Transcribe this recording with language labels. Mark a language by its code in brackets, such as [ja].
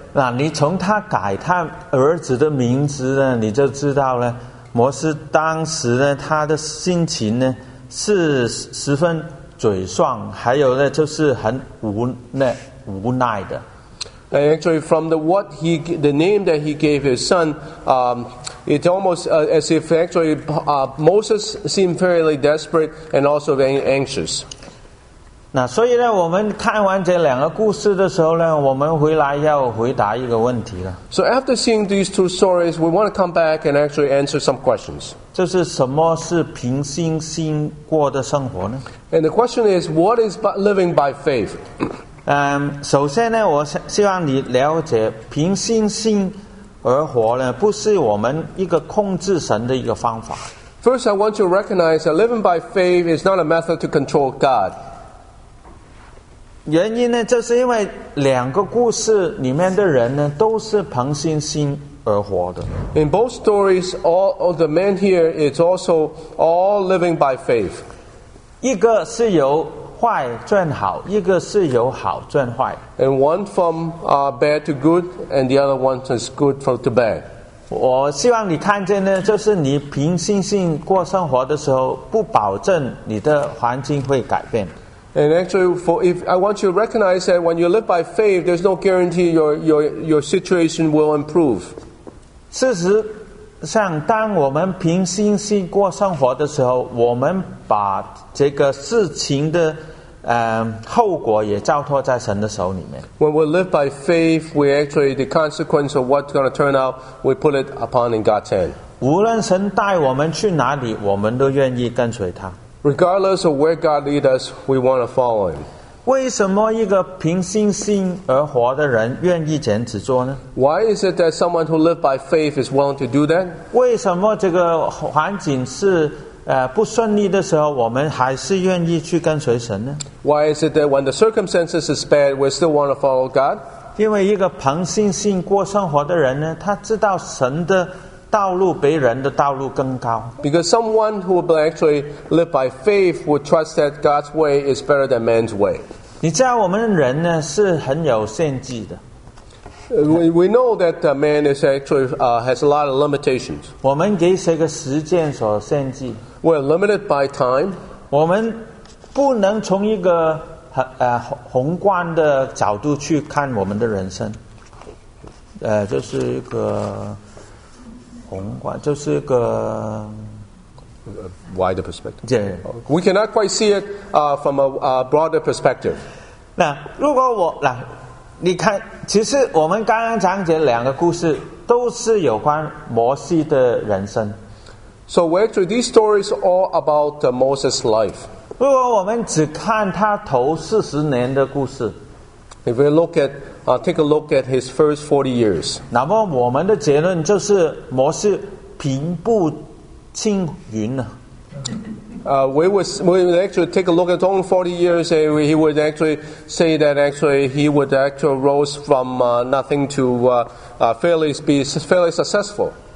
[zh] 那你从他改他儿子的名字呢，你就知道了，摩西当时呢，他的心情呢是十分沮丧，还有呢就是很无奈的。 [en] Actually, from the name that he gave his son, it almost as if actually Moses seemed fairly desperate and also very anxious. [zh] 那所以呢，我们看完这两个故事的时候呢，我们回来要回答一个问题了。 [en] So after seeing these two stories, we want to come back and actually answer some questions. [zh] 就是什么是凭信心过的生活呢 [en] ？And the question is, what is living by faith? [zh] 首先呢，我希望你了解，凭信心而活呢，不是我们一个控制神的一个方法。 [en] First, I want you to recognize that living by faith is not a method to control God. [zh] 原因呢，就是因为两个故事里面的人呢，都是凭信心而活的。 [en] In both stories, all of the men here is also all living by faith. [zh] 一个是由坏转好，一个是由好转坏。 [en] And one from bad to good, and the other one is good from to bad. [zh] 我希望你看见呢，就是你凭信心过生活的时候，不保证你的环境会改变。 [en] And actually, if I want you to recognize that when you live by faith, there's no guarantee your situation will improve. [zh] 事实上，当我们凭信心过生活的时候，我们把这个事情的后果也交托在神的手里面。 [en] When we live by faith, we actually the consequence of what's going to turn out, we put it upon in God's hand. [zh] 无论神带我们去哪里，我们都愿意跟随他。 [en] Regardless of where God leads us, we want to follow Him. [zh] 为什么一个凭信心而活的人愿意这样子做呢 [en] ？Why is it that someone who lives by faith is willing to do that？ [zh] 为什么这个环境是不顺利的时候，我们还是愿意去跟随神呢 [en] ？Why is it that when the circumstances is bad, we still want to follow God？ [zh] 因为一个凭信心过生活的人呢，他知道神的道路比人的道路更高。 [en] Because someone who will actually live by faith would trust that God's way is better than man's way。 [zh] 你知道我们人呢是很有限制的。 [en] We know that man is actually has a lot of limitations. [zh] 我们给谁个时间所限制。 [en] We're limited by time. [zh] 我们不能从一个宏观的角度去看我们的人生。就是一个宏观，就是一个。 [en] Wider perspective. Yeah. We cannot quite see it from a broader perspective. [zh] 那如果我来，你看，其实我们刚刚讲解两个故事，都是有关摩西的人生。 [en] So actually, these stories all about Moses' life. [zh] 如果我们只看他头四十年的故事 [en] ，If we look at take a look at his first 40 years， [zh] 那么我们的结论就是摩西平步。 [en] We would actually take a look at only 40 years, and he would actually say that actually he would actually rose from nothing to fairly successful.